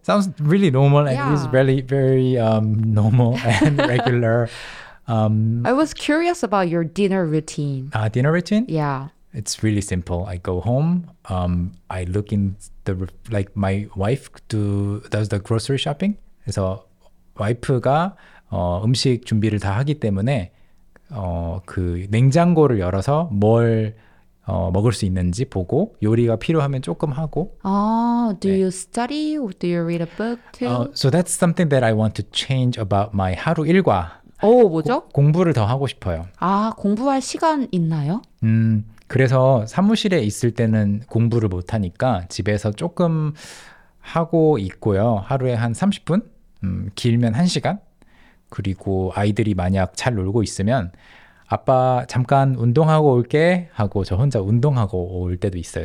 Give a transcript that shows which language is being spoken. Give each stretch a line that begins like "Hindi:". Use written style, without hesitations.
English: Sounds really normal and it is very, very normal and regular. I was curious about your dinner routine. Dinner routine? Yeah. It's really simple. I go home. I look in the like my wife does the grocery shopping.
Korean: So, 와이프가 음식 준비를 다 하기 때문에 그 냉장고를 열어서 뭘 먹을 수 있는지 보고 요리가 필요하면 조금 하고.
English: Do you study or do you read a book too? So that's something that I want to change about my 하루 일과.
Korean: 뭐죠? 공부를 더 하고 싶어요. 아, 공부할 시간 있나요? 그래서 사무실에 있을 때는 공부를 못 하니까 집에서 조금 하고 있고요. 하루에 한 30분? 길면 1시간? 그리고 아이들이 만약 잘 놀고 있으면 아빠 잠깐 운동하고 올게 하고 저 혼자 운동하고 올 때도 있어요.